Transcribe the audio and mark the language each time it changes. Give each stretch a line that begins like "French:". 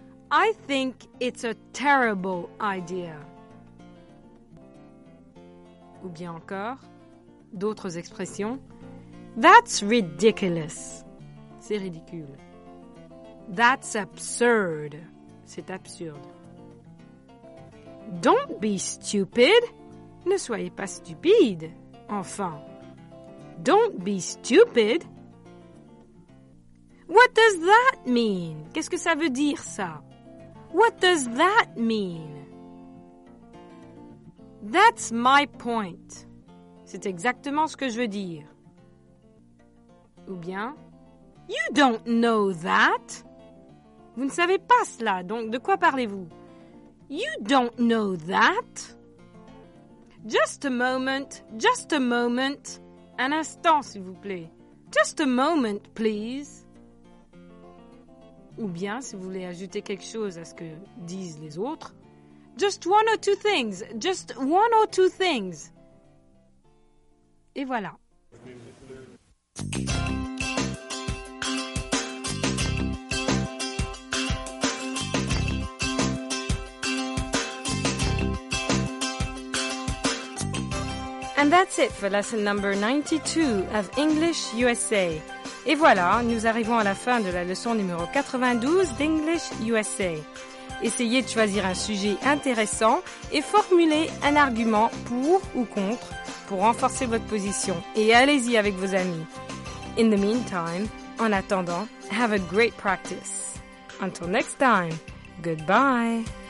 English: I think it's a terrible idea.
French: Ou bien encore, d'autres expressions.
English: That's ridiculous.
French: C'est ridicule.
English: That's absurd.
French: C'est absurde.
English: Don't be stupid.
French: Ne soyez pas stupide, enfin.
English: Don't be stupid. What does that mean?
French: Qu'est-ce que ça veut dire, ça?
English: What does that mean? That's my point.
French: C'est exactement ce que je veux dire. Ou bien,
English: you don't know that.
French: Vous ne savez pas cela, donc de quoi parlez-vous?
English: You don't know that. Just a moment, just a moment.
French: Un instant, s'il vous plaît.
English: Just a moment, please.
French: Ou bien, si vous voulez ajouter quelque chose à ce que disent les autres,
English: just one or two things,
French: just one or two things. Et voilà.
English: And that's it for lesson number 92 of English USA.
French: Et voilà, nous arrivons à la fin de la leçon numéro 92 d'English USA. Essayez de choisir un sujet intéressant et formulez un argument pour ou contre pour renforcer votre position. Et allez-y avec vos amis.
English: In the meantime,
French: en attendant,
English: have a great practice. Until next time, goodbye.